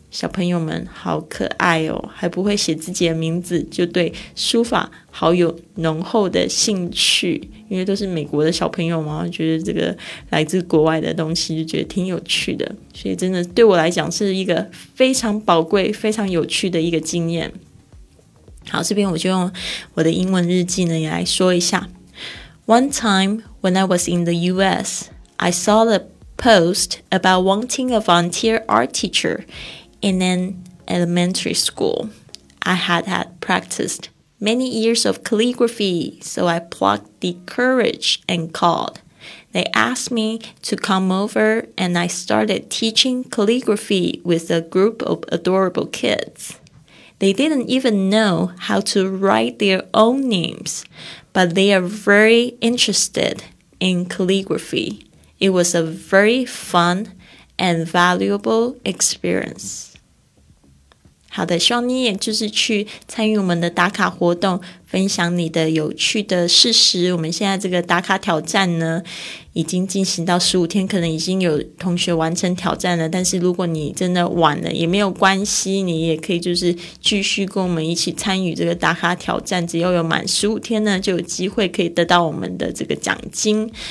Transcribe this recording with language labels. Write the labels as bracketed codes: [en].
[zh] 小朋友们好可爱哦，还不会写自己的名字，就对书法好有浓厚的兴趣。因为都是美国的小朋友嘛，觉得这个来自国外的东西就觉得挺有趣的，所以真的对我来讲是一个非常宝贵非常有趣的一个经验。好，这边我就用我的英文日记呢来说一下。 [en] One time when I was in the US, I saw the post about wanting a volunteer art teacherIn an elementary school, I had practiced many years of calligraphy, so I plucked the courage and called. They asked me to come over, and I started teaching calligraphy with a group of adorable kids. They didn't even know how to write their own names, but they are very interested in calligraphy. It was a very fun and valuable experience. [zh] 好的，希望你也就是去参与我们的打卡活动，分享你的有趣的事实。我们现在这个打卡挑战呢已经进行到15天，可能已经有同学完成挑战了，但是如果你真的晚了也没有关系，你也可以就是继续跟我们一起参与这个打卡挑战，只要有满15天呢就有机会可以得到我们的这个奖金。